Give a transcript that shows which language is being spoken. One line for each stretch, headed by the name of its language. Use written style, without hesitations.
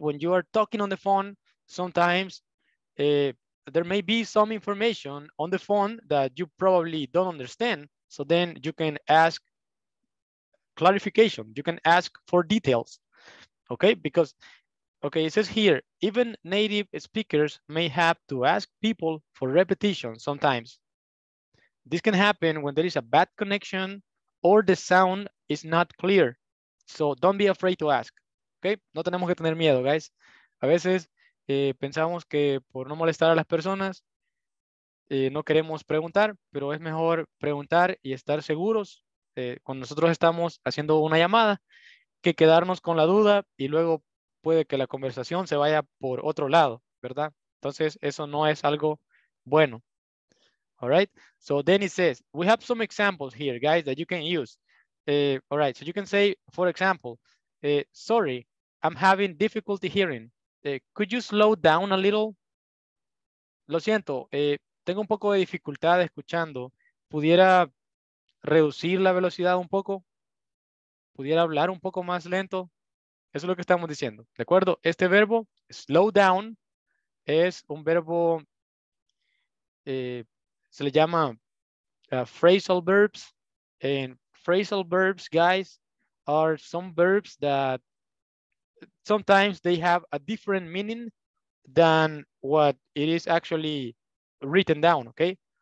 English: When you are talking on the phone, sometimes there may be some information on the phone that you probably don't understand, so then you can ask clarification, you can ask for details, okay? Because, okay, it says here, even native speakers may have to ask people for repetition sometimes. This can happen when there is a bad connection or the sound is not clear. So don't be afraid to ask, okay?
Spanish: No tenemos que tener miedo,
English: guys.
Spanish: A veces pensamos que por no molestar a las personas, no queremos preguntar, pero es mejor preguntar y estar seguros cuando nosotros estamos haciendo una llamada que quedarnos con la duda y luego puede que la conversación se vaya por otro lado, ¿verdad? Entonces, eso no es algo bueno.
English: All right? So then it says, we have some examples here, guys, that you can use. All right, so you can say, for example, sorry, I'm having difficulty hearing. Could you slow down a little?
Spanish: Lo siento, tengo un poco de dificultad escuchando. ¿Pudiera reducir la velocidad un poco? ¿Pudiera hablar un poco más lento? Eso es lo que estamos diciendo, ¿de acuerdo? Este verbo,
English: slow down,
Spanish: es un verbo, se le llama
English: phrasal verbs, and phrasal verbs, guys, are some verbs that sometimes they have a different meaning than what it is actually written down, okay?